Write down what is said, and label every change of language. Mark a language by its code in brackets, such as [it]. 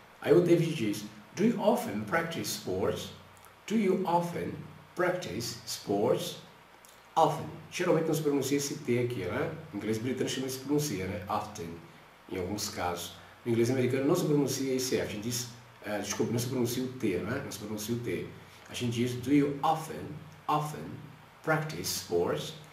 [pt] Aí o David diz, [en] do you often practice sports? Do you often practice sports? Often. [pt] Geralmente não se pronuncia esse T aqui, né? Em inglês britânico não se pronuncia, né? Often. Em alguns casos. No inglês americano não se pronuncia esse F. A gente diz, desculpa, não se pronuncia o T, né? Não se pronuncia o T. A gente diz, [en] do you often, often practice sports?